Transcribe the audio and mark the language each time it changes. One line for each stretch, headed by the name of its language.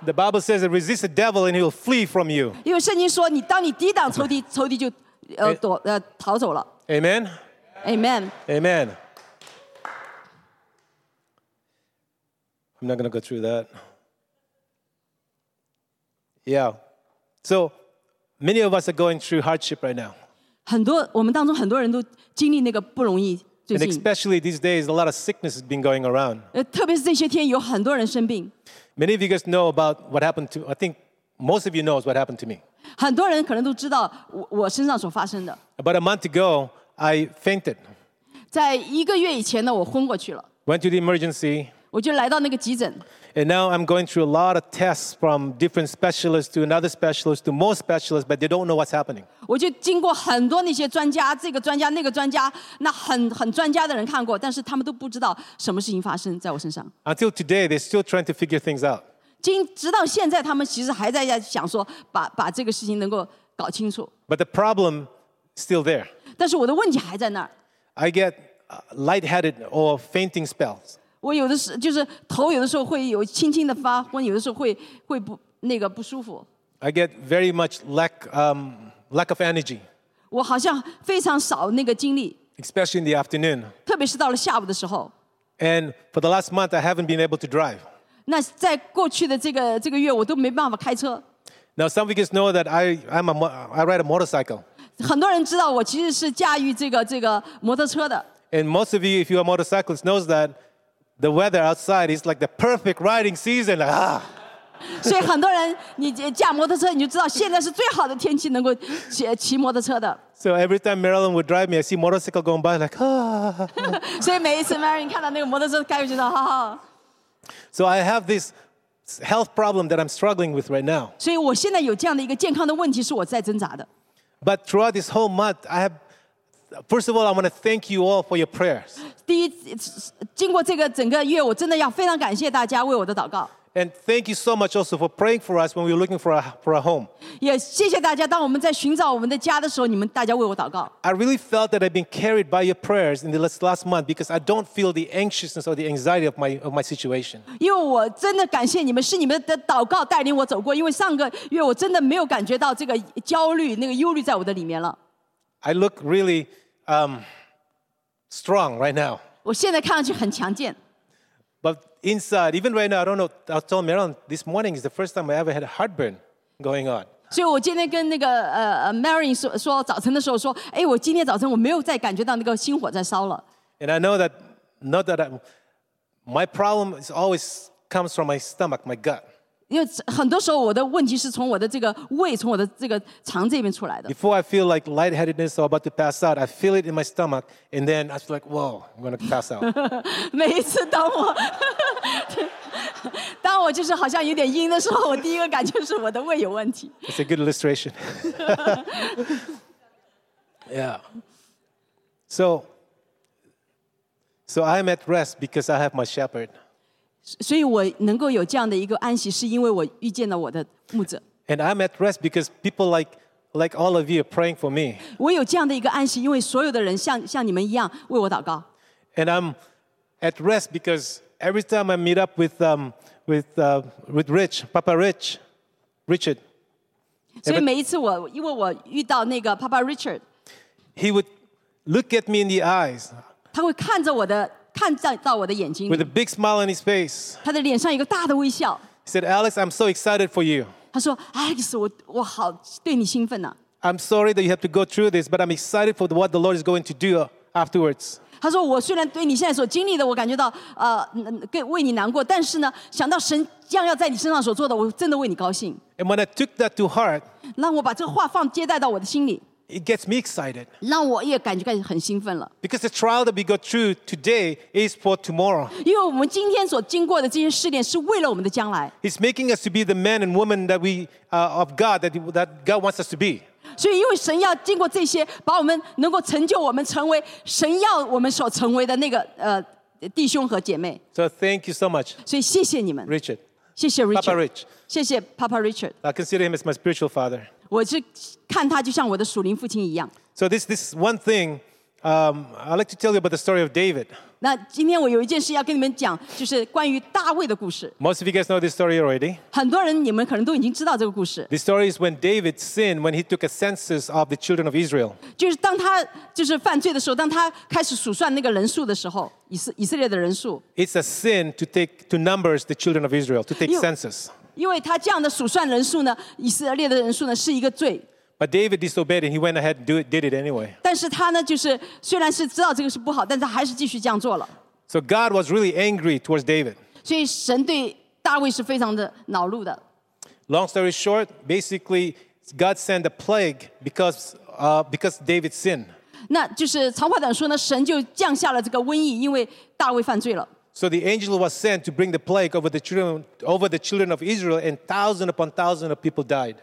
English: The Bible says, resist the devil and he will flee from you.
Chinese: 因为圣经说，当你抵挡仇敌，仇敌就逃走了。
English: Amen. Amen. Amen. I'm not going to go through that. Yeah. So many of us are going through hardship right now.
Chinese: 很多我们当中很多人都经历那个不容易。
English: And especially these days, a lot of sickness has been going around.
Chinese: 特别是这些天有很多人生病。
English: Many of you guys know about what happened to, I think most of you knows what happened to me.
Chinese: 很多人可能都知道我身上所发生的。
English: About a month ago, I fainted.
Chinese: 在一个月以前呢，我昏过去了。
English: Went to the emergency.
Chinese: 我就来到那个急诊。
English: And now I'm going through a lot of tests from different specialists to another specialist to more specialists, but they don't know what's happening.
Chinese: 我就经过很多那些专家，这个专家，那个专家，那很专家的人看过，但是他们都不知道什么事情发生在我身上。
English: Until today, they're still trying to figure things out.
Chinese: 直到现在，他们其实还在想说，把这个事情能够搞清楚。
English: But the problem still there.
Chinese: 但是我的问题还在那儿。
English: I get lightheaded or fainting spells.
Chinese: 我有的时就是头有的时候会有轻轻的发昏，有的时候会不那个不舒服。
English: I get very much lack of energy.
Chinese: 我好像非常少那个精力。
English: Especially in the afternoon.
Chinese: 特别是到了下午的时候。
English: And for the last month, I haven't been able to drive.
Chinese: 那在过去的这个月，我都没办法开车。
English: Now some of you know that I ride a motorcycle.
Chinese: 很多人知道我其实是驾驭这个摩托车的。
English: And most of you, if you are motorcyclists, knows that. the weather outside is like the perfect riding season. Like, ah.
Chinese: 所以很多人，你驾摩托车，你就知道现在是最好的天气，能够骑摩托车的。
English: So every time Marilyn would drive me, I see motorcycle going by, like, ah.
Chinese: 所以每一次 Marilyn 看到那个摩托车开过去的，哈哈。
English: So I have this health problem that I'm struggling with right now.
Chinese: 所以我现在有这样的一个健康的问题，是我在挣扎的。
English: But throughout this whole month, I have. First of all, I want to thank you all for your prayers.
Chinese: 第一，经过这个整个月，我真的要非常感谢大家为我的祷告。
English: And thank you so much also for praying for us when we were looking for a home.
Chinese: 也谢谢大家，当我们在寻找我们的家的时候，你们大家为我祷告。
English: I really felt that I've been carried by your prayers in the last month because I don't feel the anxiousness or the anxiety of my situation.
Chinese: 因为我真的感谢你们，是你们的祷告带领我走过。因为上个月我真的没有感觉到这个焦虑、那个忧虑在我的里面了。
English: I look really strong right now.
Chinese: 我现在看上去很强健。
English: But inside, even right now, I don't know, I was telling Marilyn, this morning is the first time I ever had a heartburn going on.
Chinese: 所以我今天跟那个Marilyn 说早晨的时候说，哎，我今天早晨我没有再感觉到那个心火在烧了。
English: And I know that, not that my problem is always comes from my stomach, my gut.
Chinese: 因为很多时候我的问题是从我的这个胃，从我的这个肠这边出来的。
English: Before I feel like lightheadedness or about to pass out, I feel it in my stomach, and then I feel like, whoa, I'm going to pass out.
Chinese: 每一次当我当我就是好像有点晕的时候，我第一个感觉是我的胃有问题。
English: It's a good illustration. Yeah. So I'm at rest because I have my shepherd.
Chinese: 所以我能够有这样的一个安息，是因为我遇见了我的牧者。
English: And I'm at rest because people like all of you are praying for me.
Chinese: 我有这样的一个安息，因为所有的人像你们一样为我祷告。
English: And I'm at rest because every time I meet up with Rich, Papa Rich, Richard.
Chinese: 所以每一次我因为我遇到那个 Papa Richard,
English: he would look at me in the eyes.
Chinese: 他会看着我的。看到我的眼睛
English: with a big smile on his face.
Chinese: 他的脸上一个大的微笑
English: He said, Alex, I'm so excited for you.
Chinese: 他说 Alex, 我好对你兴奋啊
English: I'm sorry that you have to go through this, but I'm excited for what the Lord is going to do afterwards.
Chinese: 他说我虽然对你现在所经历的我感觉到为你难过但是呢想到神将要在你身上所做的我真的为你高兴
English: And when I took that to heart,
Chinese: 让我把这话放接待到我的心里
English: It gets me excited.
Chinese: 让我也感觉很兴奋了。
English: Because the trial that we go through today is for tomorrow.
Chinese: 因为我们今天所经过的这些试炼是为了我们的将来。
English: He's making us to be the man and woman that we of God that God wants us to be.
Chinese: 所以因为神要经过这些，把我们能够成就我们成为神要我们所成为的那个弟兄和姐妹。
English: So thank you so much.
Chinese: 所以谢谢你们
English: ，Richard.
Chinese: 谢谢 Richard.
English: Papa Rich.
Chinese: 谢谢 Papa Richard.
English: I consider him as my spiritual father.
Chinese: 我是看他就像我的属灵父亲一样。
English: So this one thing, I'd like to tell you about the story of David.
Chinese: 那今天我有一件事要跟你们讲，就是关于大卫的故事。
English: Most of you guys know this story already.
Chinese: 很多人你们可能都已经知道这个故事。
English: The story is when David sinned when he took a census of the children of Israel.
Chinese: 就是当他就是犯罪的时候，当他开始数算那个人数的时候，以色列的人数。
English: It's a sin to take to numbers the children of Israel to take census.
Chinese: 因为他这样的数算人数呢，以色列的人数呢是一个罪。
English: But David disobeyed and he went ahead and did it anyway.
Chinese: 但是他呢，就是虽然是知道这个是不好，但是还是继续这样做了。
English: So God was really angry towards David.
Chinese: 所以神对大卫是非常的恼怒的。
English: Long story short, basically, God sent a plague because David sinned.
Chinese: 那就是长话短说呢，神就降下了这个瘟疫，因为大卫犯罪了。
English: So the angel was sent to bring the plague over the children of Israel, and thousands upon thousands of people died.